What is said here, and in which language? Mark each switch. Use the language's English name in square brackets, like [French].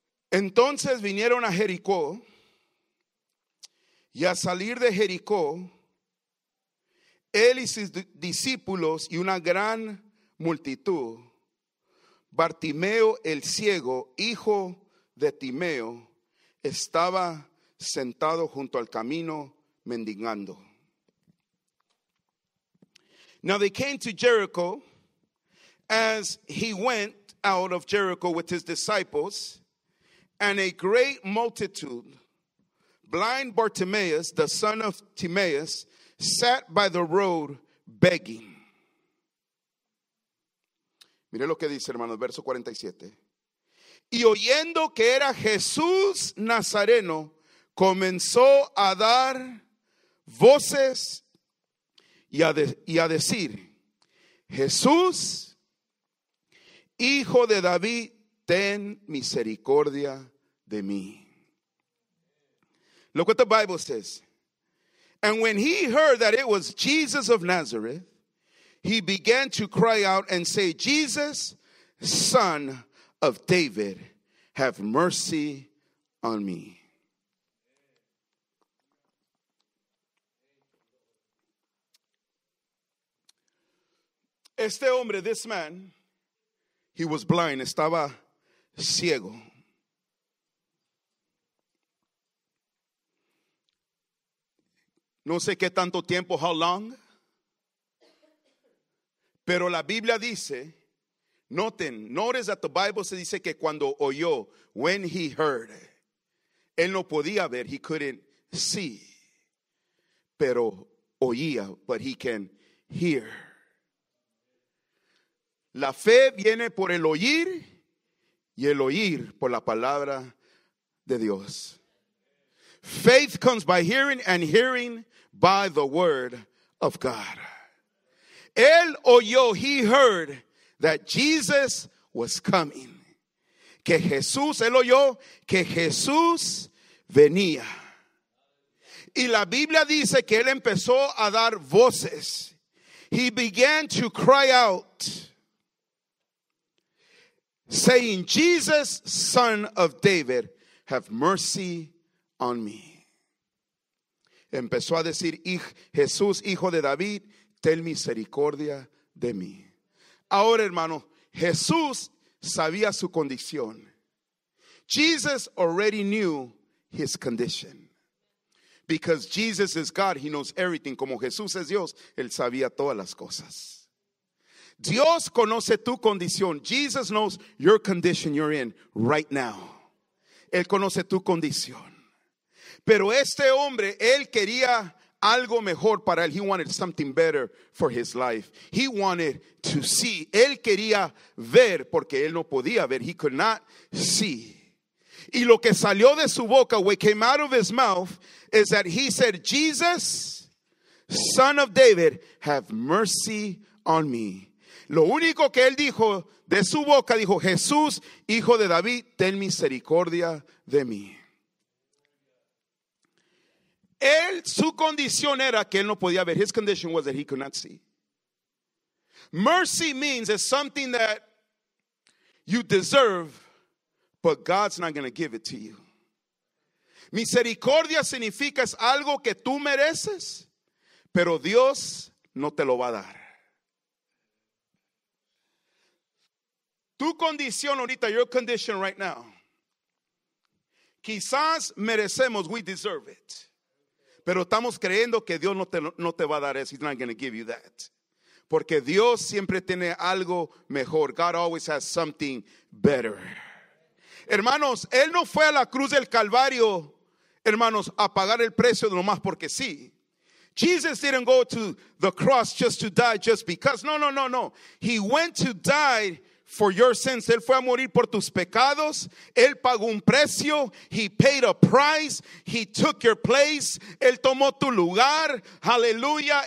[Spanish] Entonces vinieron a Jericó, y a salir de Jericó, él y sus discípulos y una gran multitud, Bartimeo el ciego, hijo de Timeo, estaba sentado junto al camino mendigando. [English] Now they came to Jericho. As he went out of Jericho with his disciples and a great multitude, blind Bartimaeus, the son of Timaeus, sat by the road begging. [Spanish] Mire lo que dice, hermanos, verso 47. Y oyendo que era Jesús Nazareno, comenzó a dar voces y a decir, Jesús, Hijo de David, ten misericordia de mí. [English] Look what the Bible says. And when he heard that it was Jesus of Nazareth, he began to cry out and say, Jesus, Son of David, have mercy on me. [Spanish] Este hombre, [English] this man, he was blind, [Spanish] estaba ciego. No sé qué tanto tiempo, [English] how long. [Spanish] Pero la Biblia dice, [English] notice that the Bible [Spanish] se dice que cuando oyó, [English] when he heard, [Spanish] él no podía ver, [English] he couldn't see. [Spanish] Pero oía, [English] but he can hear. [Spanish] La fe viene por el oír y el oír por la palabra de Dios. [English] Faith comes by hearing, and hearing by the word of God. [Spanish] Él oyó, [English] he heard that Jesus was coming. [Spanish] Que Jesús, él oyó que Jesús venía. Y la Biblia dice que él empezó a dar voces. [English] He began to cry out, saying, Jesus, son of David, have mercy on me. [Spanish] Empezó a decir, Jesús, hijo de David, ten misericordia de mí. Ahora, hermano, Jesús sabía su condición. [English] Jesus already knew his condition. Because Jesus is God, he knows everything. [Spanish] Como Jesús es Dios, él sabía todas las cosas. Dios conoce tu condición. [English] Jesus knows your condition you're in right now. [Spanish] Él conoce tu condición. Pero este hombre, él quería algo mejor para él. [English] He wanted something better for his life. He wanted to see. [Spanish] Él quería ver porque él no podía ver. [English] He could not see. [Spanish] Y lo que salió de su boca, [English] what came out of his mouth, is that he said, Jesus, son of David, have mercy on me. [Spanish] Lo único que él dijo de su boca, dijo, Jesús, hijo de David, ten misericordia de mí. Él, su condición era que él no podía ver. [English] His condition was that he could not see. Mercy means it's something that you deserve, but God's not going to give it to you. [Spanish] Misericordia significa es algo que tú mereces, pero Dios no te lo va a dar. Tu condición ahorita, [English] your condition right now, [Spanish] quizás merecemos, [English] we deserve it. [Spanish] Pero estamos creyendo que Dios no te va a dar eso. [English] He's not going to give you that. [Spanish] Porque Dios siempre tiene algo mejor. [English] God always has something better. [Spanish] Hermanos, él no fue a la cruz del Calvario, hermanos, a pagar el precio nomás porque sí. [English] Jesus didn't go to the cross just to die just because. [Spanish] No. [English] He went to die for your sins. [Spanish] Él fue a morir por tus pecados. Él pagó un precio. [English] He paid a price. He took your place. [Spanish] Él tomó tu lugar. [English] Hallelujah.